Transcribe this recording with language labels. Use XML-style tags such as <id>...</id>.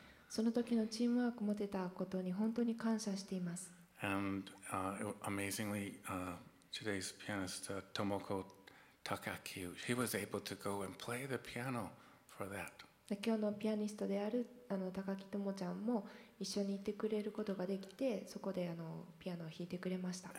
<ja>その時のチームワークを持てたことに本当に感謝しています。</ja> <en>And amazingly, today's pianist, Tomoko Takaki, he was able to go and play the piano for that.</en> <ja>今日のピアニストである高木ともちゃんも一緒にいてくれることができてそこでピアノを弾いてくれました。</ja>